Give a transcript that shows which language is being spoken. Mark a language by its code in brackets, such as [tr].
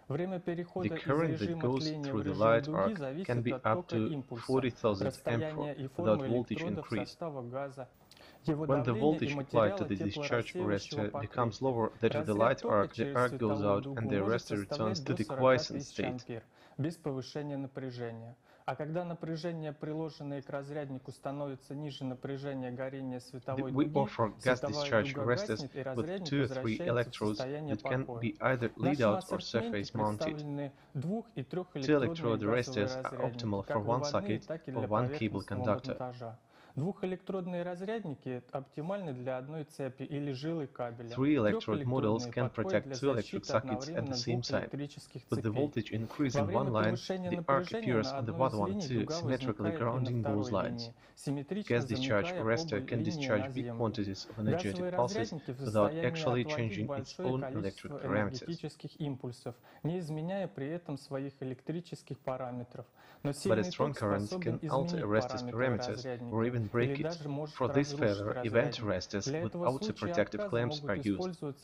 [en] The current that goes through the light arc can be up to 40,000 amps. Without voltage increase. When the voltage applied to the discharge arrestor becomes lower than to the light arc, the arc goes out and the arrestor returns to the quiescent state. [ru] Без повышения напряжения. А когда напряжение, приложенное к разряднику, становится ниже напряжения горения световой дуги, световая дуга гаснет, и разрядник возвращается в состояние покоя. Наши ассортименты представлены двух- и трехэлектродными газовыми разрядниками, как в одном, так и для поверхностного монтажа. Двухэлектродные разрядники оптимальны для одной цепи или жилы кабеля. [en] Three electrode models can protect two electric sockets at the same time. With the voltage increase in one line, the arc appears on the other one too, symmetrically grounding those lines. Gas discharge arrestor can discharge big quantities of energetic pulses without actually changing its own electric parameters. [ru] Не изменяя при этом своих электрических параметров. [en] But a strong current can alter arrestor's parameters or even break it. For this failure, event arrestors with outer-protective clamps are used.